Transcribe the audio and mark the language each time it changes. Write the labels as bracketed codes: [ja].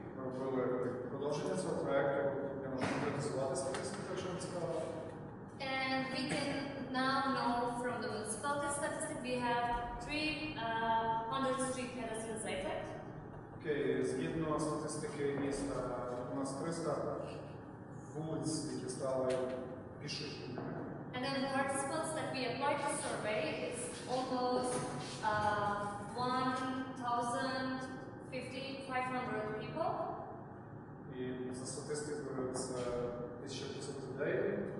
[uk] Ми робили продовження цього проекту. Я можу конкретизувати статистику, якщо вам цікаво. [en] And we can now know from the municipality statistic we have 300 street pedestrians sighted. [uk] Окей, згідно статистики міста, у нас 300 вулиць, які стали пішими. [en] And then the participants that we applied to survey is almost 1,500 people. [uk] І за статистикою це 1,500 людей.